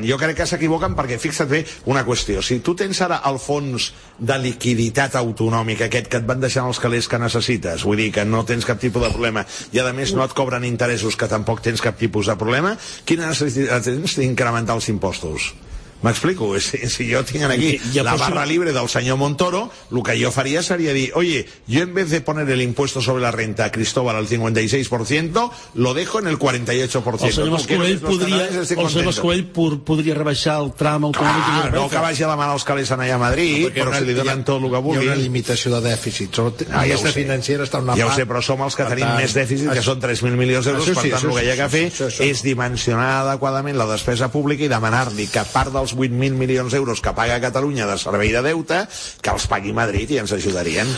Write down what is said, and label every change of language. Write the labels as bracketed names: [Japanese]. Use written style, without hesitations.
[Catalan] Jo crec que s'equivoquen perquè fixa't bé una qüestió. Si tu tens ara el fons de liquiditat autonòmica aquest que et van deixar els calés que necessites, vull dir que no tens cap tipus de problema i a més no et cobren interessos que tampoc tens cap tipus de problema, quina necessitat tens d'incrementar els impostos? M'explico? Si jo tinc aquí la barra libre del senyor Montoro, el que jo faria seria dir, [Spanish] oye, yo en vez de poner el impuesto sobre la renta a Cristóbal al 56%, lo dejo en el 48%. [Catalan] El senyor Mascolell podria rebaixar el tram autonòmic. Clar, no que vagi a demanar els calés allà a Madrid, però si li donen tot el que vulgui. Hi ha una limitació de dèficit. Aquesta financera està una part. Ja ho sé, però som els que tenim més dèficit, que són 3.000 milions d'euros, per tant, el que hi ha que fer és dimensionar adequadament la despesa pública i demanar-li que part del els 8.000 milions d'euros que paga Catalunya de servei de deute, que els pagui Madrid i ens ajudarien.